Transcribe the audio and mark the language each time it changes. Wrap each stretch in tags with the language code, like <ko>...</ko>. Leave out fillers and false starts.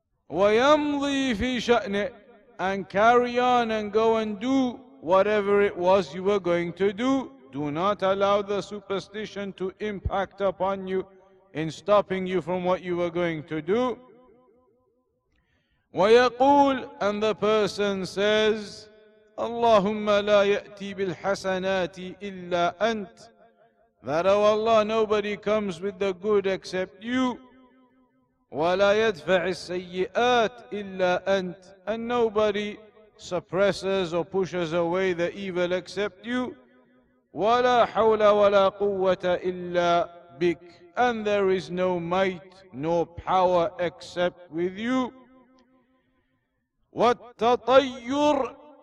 <ar>وَيَمْضِي فِي شَأْنِهِ.</ar> <en>And carry on and go and do whatever it was you were going to do. Do not allow the superstition to impact upon you in stopping you from what you were going to do.</en> <ar>ويقول,</ar> <en>and the person says,</en> <ar>اللهم لا يأتي بالحسنات إلا أنت.</ar> <en>That, oh Allah, nobody comes with the good except you.</en> <ar>ولا يدفع السيئات إلا أنت.</ar> <en>And nobody suppresses or pushes away the evil except you.</en> <ar>ولا حول ولا قوة إلا بك.</ar> <en>And there is no might nor power except with you.</en> <ar>والتطير.</ar>